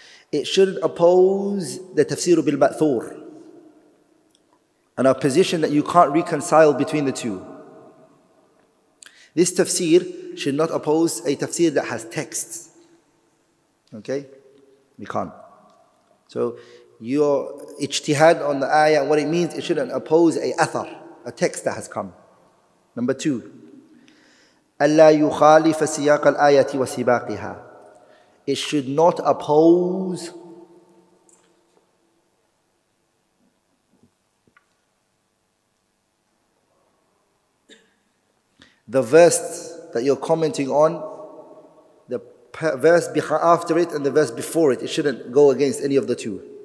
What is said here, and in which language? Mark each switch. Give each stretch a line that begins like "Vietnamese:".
English: It should oppose the tafsir bil-ma'thur, an opposition that you can't reconcile between the two. This tafsir should not oppose a tafsir that has texts. Okay? We can't. So your ijtihad on the ayah, what it means, it shouldn't oppose a athar, a text that has come. Number two,
Arabic: أَلَّا يُخَالِفَ سِيَاقَ الْآيَةِ وَسِبَاقِهَا.
English: It should not oppose the verse that you're commenting on, the verse after it and the verse before it. It shouldn't go against any of the two.